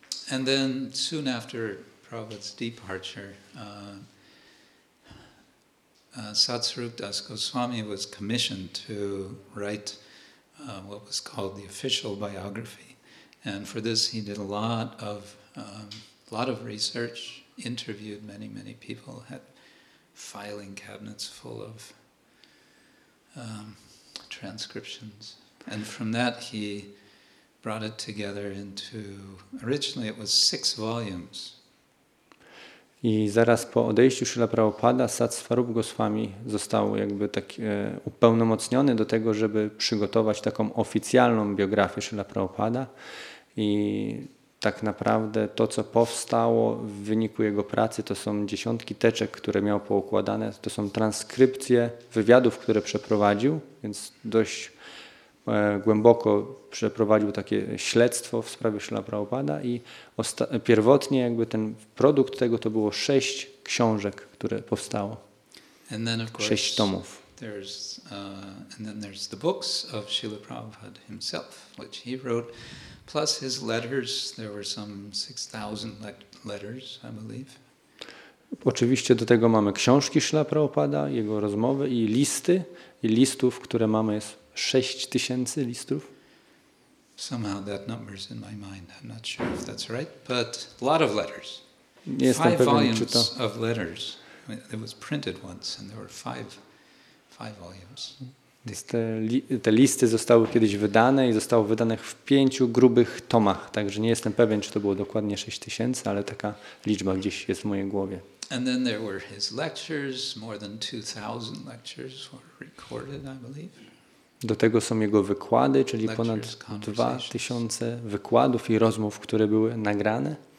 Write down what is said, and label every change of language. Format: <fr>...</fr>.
<en>And then soon after Prabhupada's departure, Satsarupa Das Goswami was commissioned to write what was called the official biography. And for this he did a lot of research, interviewed many, many people, had filing cabinets full of transcriptions. And from that he brought it together into, originally it was 6 volumes.</en> <pl>I zaraz po odejściu Śrila Prabhupada Sat Swarup Goswami został jakby tak upełnomocniony do tego, żeby przygotować taką oficjalną biografię Śrila Prabhupada. I tak naprawdę to, co powstało w wyniku jego pracy, to są dziesiątki teczek, które miał poukładane. To są transkrypcje wywiadów, które przeprowadził, więc dość głęboko przeprowadził takie śledztwo w sprawie Śrila Prabhupada i pierwotnie jakby ten produkt tego to było 6 książek, które powstało.</pl> <en>And then of course,</en> <pl>6 tomów.</pl> <en>There's and then there's the books of Śrila Prabhupada himself, which he wrote, plus his letters. There were some 6,000 letters, I believe.</en> <pl>Oczywiście do tego mamy książki Śrila Prabhupada, jego rozmowy i listy, i listów, które mamy, jest 6,000 listów.</pl> <en>Somehow that number is in my mind. I'm not sure if that's right, but a lot of letters. Five volumes of letters. It was printed once, and there were five volumes.</en> <pl>Te listy zostały kiedyś wydane i zostały wydane w 5 grubych tomach. Także nie jestem pewien, czy to było dokładnie 6,000, ale taka liczba gdzieś jest w mojej głowie.</pl> <en>And then there were his lectures. More than 2,000 lectures were recorded, I believe.</en> <pl>Do tego są jego wykłady, czyli ponad 2,000 wykładów i rozmów, które były nagrane.</pl>